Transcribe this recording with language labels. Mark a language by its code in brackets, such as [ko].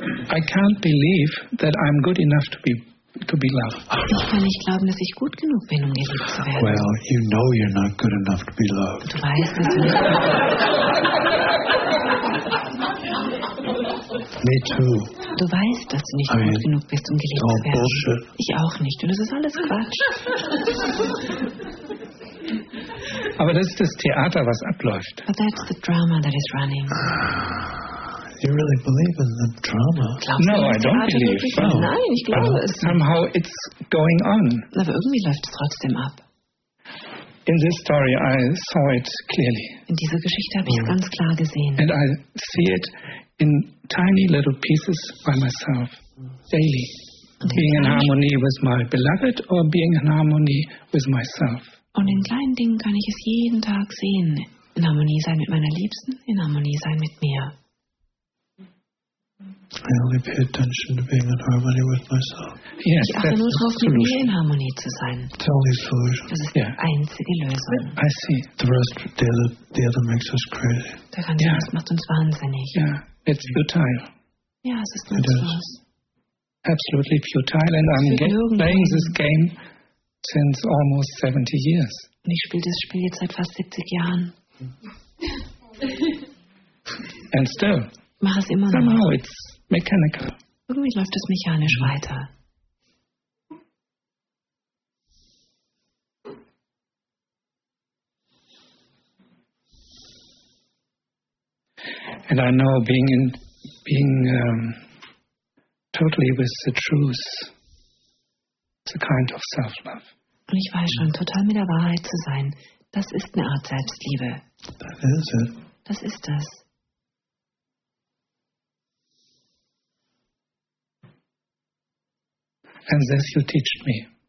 [en] I can't believe that I'm good enough to be loved. [de] Ich kann nicht glauben, dass ich gut genug bin, um geliebt zu werden. [en] Well, you know you're not good enough to be loved. [de] Du weißt, dass du nicht. [en] Me too. [de] Du weißt, dass du nicht gut genug bist, um geliebt zu werden. [en] Bullshit. [de] Ich auch nicht. Und das ist alles Quatsch. Aber das ist das Theater, was abläuft. [en] But that's the drama that is running. You really believe in the drama? No, I don't believe. [de] Nein, ich glaube es. [en] Somehow it's going on. [de] Aber irgendwie läuft es trotzdem ab. [en] In this story I saw it clearly. [de] In dieser Geschichte habe ich es ganz klar gesehen. [en] And I see it in tiny little pieces by myself daily. Being in harmony with my beloved or being in harmony with myself. [de] Und in kleinen Dingen kann ich es jeden Tag sehen. In Harmonie sein mit meiner Liebsten, in Harmonie sein mit mir. [en] I only pay attention to being in harmony with myself. Yes, [de] ich achte nur darauf, mit mir in Harmonie zu sein. [en] Totally [de] solution. Das ist die einzige Lösung. [en] I see. The rest, the other makes us crazy. [de] Der ganze Rest macht uns wahnsinnig. [en] Yeah, it's futile. [de] Ja, es ist nutzlos. [en] Absolutely futile, and I'm playing this game since almost 70 years. [de] Und ich spiele das Spiel jetzt seit fast 70 Jahren. [en] And still. [de] Mach es immer [en] noch. Somehow it's mechanical. [de] Irgendwie läuft es mechanisch weiter. [en] And I know being totally with the truth is a kind of self-love. [de] Und ich weiß schon, total mit der Wahrheit zu sein, das ist eine Art Selbstliebe. [en] That is it. [de] Das ist das. [en] And this you teach me.